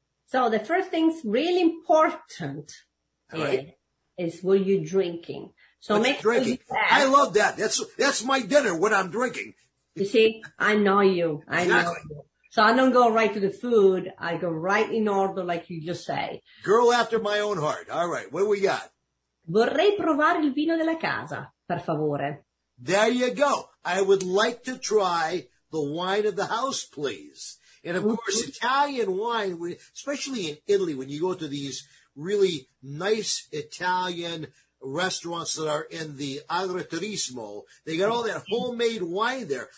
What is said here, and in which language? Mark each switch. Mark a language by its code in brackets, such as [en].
[en] So the first thing's really important is what you're drinking. So what's make drinking? Sure you I love that. That's my dinner, what I'm drinking. You see, I know you. I know you. So I don't go right to the food. I go right in order, like you just say. Girl after my own heart. All right, what do we got? [it] Vorrei provare il vino della casa, per favore. [en] There you go. I would like to try the wine of the house, please. And of course, Italian wine, especially in Italy, when you go to these really nice Italian restaurants that are in the Agriturismo, they got all that homemade wine there.